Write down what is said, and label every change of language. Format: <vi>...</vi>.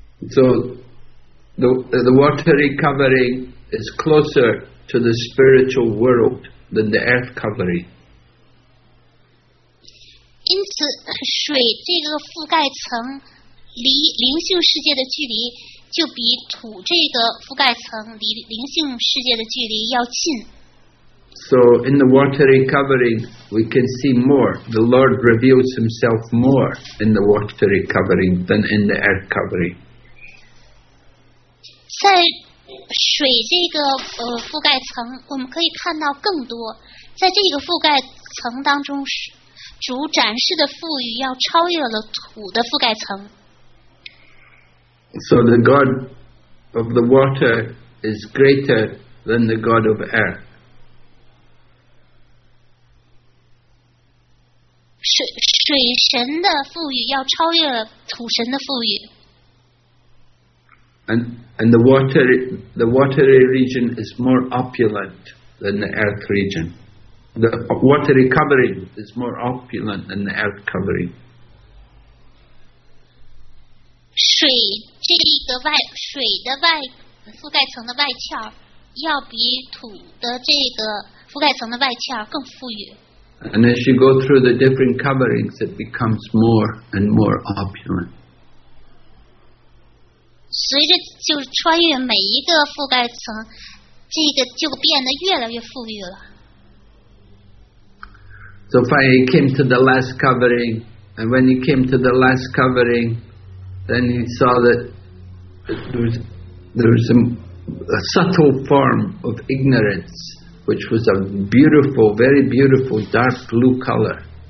<en>So the watery covering is closer to the spiritual world than the earth covering.</en> <zh>因此，水这个覆盖层离灵性世界的距离就比土这个覆盖层离灵性世界的距离要近。</zh> <en>So in the watery covering, we can see more. The Lord reveals Himself more in the watery covering than in the earth covering.</en> <zh>在水这个覆盖层，我们可以看到更多。在这个覆盖层当中，主展示的富裕要超越了土的覆盖层。</zh> <en>So the God of the water is greater than the God of earth.</en> <zh>水神的富裕要超越了土神的富裕。</zh> <en>And the watery region is more opulent than the earth region. The watery covering is more opulent than the earth covering.</en> <zh>水的外覆盖层的外壳要比土的这个覆盖层的外壳更富裕。</zh> <en>And as you go through the different coverings, it becomes more and more opulent.</en> <zh>随着就是穿越每一个覆盖层，这个就变得越来越富裕了。</zh> <en>So finally, he came to the last covering, and when he came to the last covering, then he saw that there was a subtle form of ignorance, which was a beautiful, very beautiful dark blue color.</en>